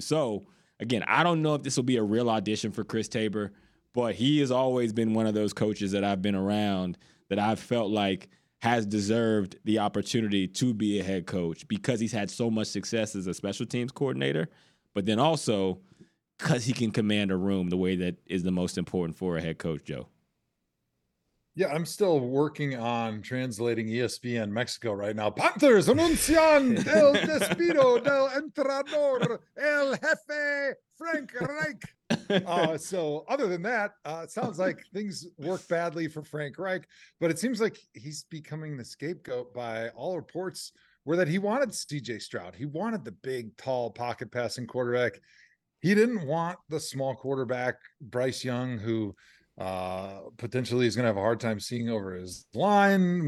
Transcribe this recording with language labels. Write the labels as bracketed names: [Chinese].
[English] So, again, I don't know if this will be a real audition for Chris Tabor, but he has always been one of those coaches that I've been around that I've felt like has deserved the opportunity to be a head coach because he's had so much success as a special teams coordinator, but then also because he can command a room the way that is the most important for a head coach, Joe. Yeah, I'm still working on translating ESPN Mexico right now. [Spanish] Panthers anuncian el despido del entrenador el jefe Frank Reich. [English] So other than that, it sounds like things work badly for Frank Reich, but it seems like he's becoming the scapegoat by all reports were that he wanted CJ Stroud. He wanted the big, tall pocket passing quarterback. He didn't want the small quarterback, Bryce Young, who potentially is going to have a hard time seeing over his line.